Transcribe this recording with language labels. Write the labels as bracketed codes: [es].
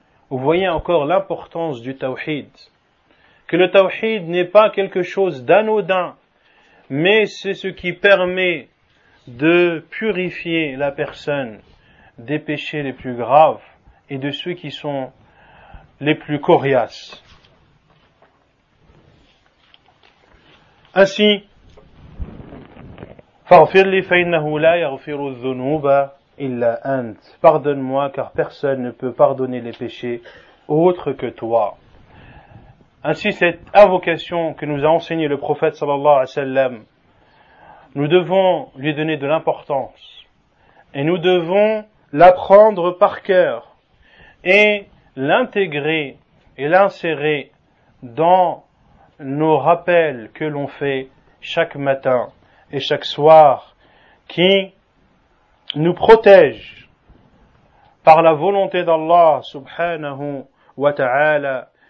[fr] vous voyez encore l'importance du tawhid. Que le tawhid n'est pas quelque chose d'anodin, mais c'est ce qui permet de purifier la personne des péchés les plus graves et de ceux qui sont les plus coriaces. Ainsi, [ar] فَغْفِرْ لِي فَإِنَّهُ لَا يَغْفِرُ الذُّنُوبَ إِلَّا أَنْتَ. [fr] Pardonne-moi car personne ne peut pardonner les péchés autre que toi. Ainsi, cette invocation que nous a enseignée le prophète sallallahu alayhi wa sallam, nous devons lui donner de l'importance et nous devons l'apprendre par cœur et l'intégrer et l'insérer dans nos rappels que l'on fait chaque matin et chaque soir, qui nous protège par la volonté d'Allah subhanahu wa ta'ala.